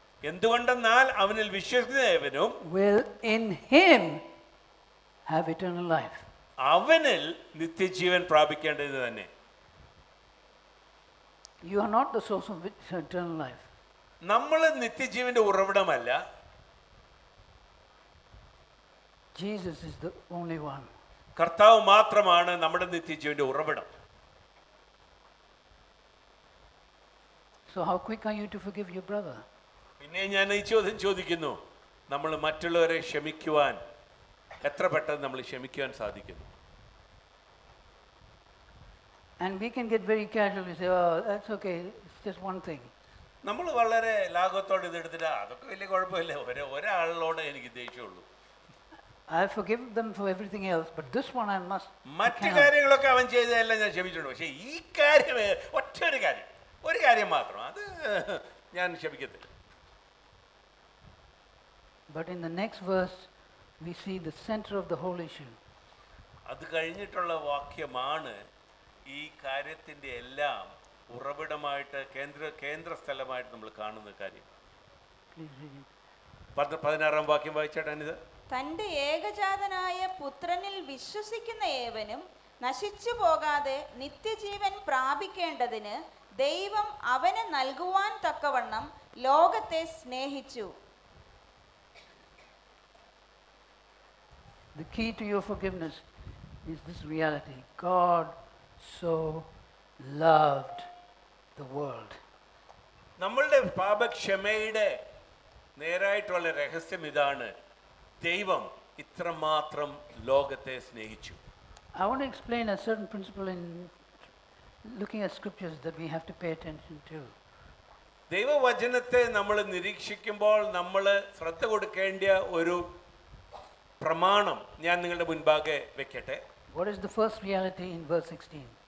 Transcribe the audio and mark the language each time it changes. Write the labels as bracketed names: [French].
[Malayalam] എന്തുകൊണ്ടെന്നാൽ അവനിൽ വിശ്വസിക്കുന്നവനും, [English] will in him have eternal life. [Malayalam] അവനിൽ നിത്യജീവൻ പ്രാപിക്കേണ്ടതു തന്നെ. [English] You are not the source of eternal life. [Malayalam] നമ്മൾ നിത്യജീവന്റെ ഉറവിടമല്ല. [English] Jesus is the only one. [Malayalam] കർത്താവ് മാത്രമാണ് നമ്മുടെ നിത്യജീവന്റെ ഉറവിടം. [English] So how quick are you to forgive your brother? [Malayalam] പിന്നെ ഞാൻ ഈ ചോദ്യം ചോദിക്കുന്നു, നമ്മൾ മറ്റുള്ളവരെ ക്ഷമിക്കുവാൻ എത്ര പെട്ടെന്ന് നമ്മൾ ക്ഷമിക്കുവാൻ സാധിക്കുന്നു? [English] And we can get very casual and say, oh, that's okay, it's just one thing. [Malayalam] നമ്മള് വളരെ ലാഘവത്തോടെ ഇത് എടുത്തിട്ട് അതൊക്കെ വലിയ കുഴപ്പമില്ല, ഒരാളോടെ എനിക്ക് ദേഷ്യമുള്ളൂ. [English] I forgive them for everything else, but this one I must. [Malayalam] മറ്റു കാര്യങ്ങളൊക്കെ അവൻ ചെയ്തതെല്ലാം ഞാൻ ക്ഷമിച്ചിട്ടു. പക്ഷേ ഈ കാര്യം ഒറ്റൊരു കാര്യം, ഒരു കാര്യം മാത്രം, അത് ഞാൻ ക്ഷമിക്കത്തില്ല. [English] But in the next verse we see the center of the whole issue. [Malayalam] അത് കഴിഞ്ഞിട്ടുള്ള വാക്യമാണ് ഈ കാര്യത്തിന്റെ എല്ലാം ഉറവിടമായിട്ട് കേന്ദ്രസ്ഥലമായിട്ട് നമ്മൾ കാണുന്ന കാര്യം. 16-ാം വാക്യം വായിച്ചാട്ടാണ് ഇത്. തന്റെ ഏകജാതനായ പുത്രനിൽ വിശ്വസിക്കുന്ന ഏവനും നശിച്ചു പോകാതെ നിത്യജീവൻ പ്രാപിക്കേണ്ടതിന് ദൈവം അവനെ നൽകുവാൻ തക്കവണ്ണം ലോകത്തെ സ്നേഹിച്ചു. [English] The key to your forgiveness is this reality. God so loved the world. [Malayalam] നമ്മളുടെ പാപക്ഷമയുടെ നേരായിട്ടുള്ള രഹസ്യം ഇതാണ്, ദൈവം ഇത്രമാത്രം ലോകത്തെ സ്നേഹിച്ചു. [English] I want to explain a certain principle in looking at scriptures that we have to pay attention to. [Malayalam] ദൈവവചനത്തെ നമ്മൾ നിരീക്ഷിക്കുമ്പോൾ നമ്മൾ ശ്രദ്ധ കൊടുക്കേണ്ട ഒരു പ്രമാണം ഞാൻ നിങ്ങളുടെ മുൻപാകെ വെക്കട്ടെ. [English] What is the first reality in verse 16?